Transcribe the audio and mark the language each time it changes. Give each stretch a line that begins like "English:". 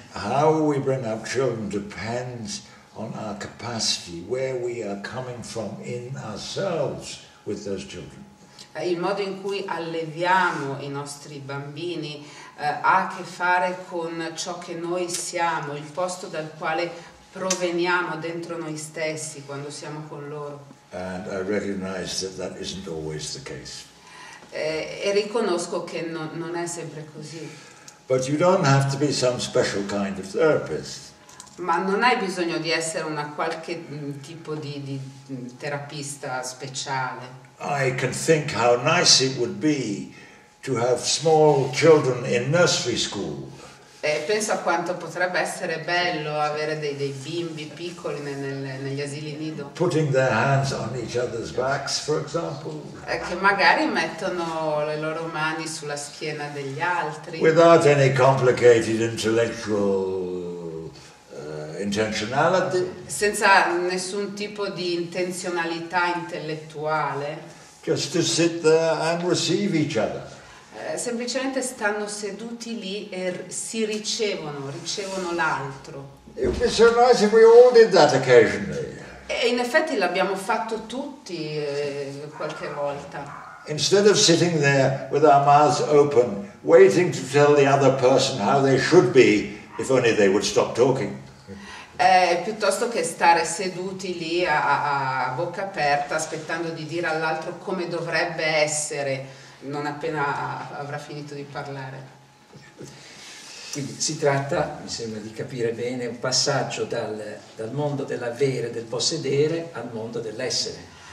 English: How we bring up children depends on our capacity, where we are coming from in ourselves with those children.
Italian: Il modo in cui alleviamo i nostri bambini ha a che fare con ciò che noi siamo, il posto dal quale proveniamo dentro noi stessi quando siamo con loro.
English: And I recognize that that isn't always the case.
Italian: E riconosco che non è sempre così.
English: But you don't have to be some special kind of therapist.
Italian: Ma non hai bisogno di essere una qualche tipo di terapista speciale.
English: I can think how nice it would be to have small children in nursery school.
Italian: Penso a quanto potrebbe essere bello avere dei bimbi piccoli negli asili nido.
English: Putting their hands on each other's backs, for example.
Italian: Che magari mettono le loro mani sulla schiena degli altri.
English: Without any complicated intellectual intentionality.
Italian: Senza nessun tipo di intenzionalità intellettuale.
English: Just to sit there and receive each other.
Italian: Semplicemente stanno seduti lì e si ricevono l'altro.
English: It would be so nice if we all did that occasionally.
Italian: E in effetti l'abbiamo fatto tutti qualche volta.
English: Instead of sitting there with our mouths open, waiting to tell the other person how they should be, if only they would stop talking.
Italian: Piuttosto che stare seduti lì a bocca aperta, aspettando di dire all'altro come dovrebbe essere. Non appena avrà finito di parlare. Quindi si tratta, mi sembra di capire bene, un passaggio dal mondo dell'avere, del possedere, al mondo dell'essere.